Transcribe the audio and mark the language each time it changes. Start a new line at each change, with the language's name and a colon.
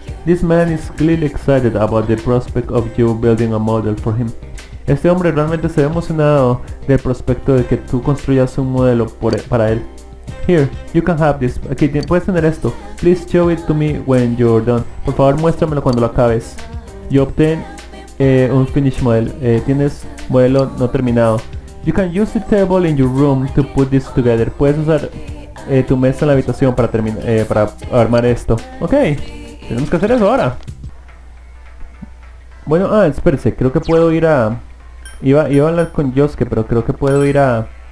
English: This man is clearly excited about the prospect of you building a model for him.
Spanish: Este hombre realmente se ve emocionado del prospecto de que tú construyas un modelo para él.
English: Here, you can have this.
Spanish: Aquí puedes tener esto.
English: Please show it to me when you're done.
Spanish: Por favor, muéstramelo cuando lo acabes.
English: You obtain un finished model.
Spanish: Tienes modelo no terminado.
English: You can use the table in your room to put this together.
Spanish: Puedes usar tu mesa en la habitación para armar esto. Ok, tenemos que hacer eso ahora. Bueno, espérese, creo que puedo ir a... Iba a hablar con Josque, pero creo que puedo ir a...